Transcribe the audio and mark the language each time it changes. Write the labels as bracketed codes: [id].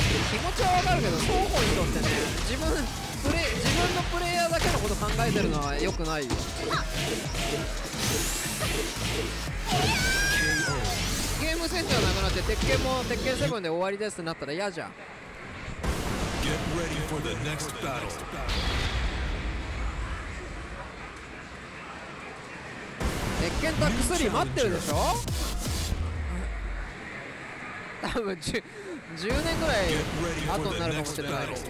[ja] 気持ちはわかるけど、双方にとってね、自分のプレイヤーだけのこと考えてるのは良くないよ。ゲームセンターなくなって鉄拳も鉄拳セブンで終わりですってなったら嫌じゃん。 [en] Get ready for the next battle. [ja] Tekken Tag 3待ってるでしょ。多分10年ぐらい後になるかもしれない。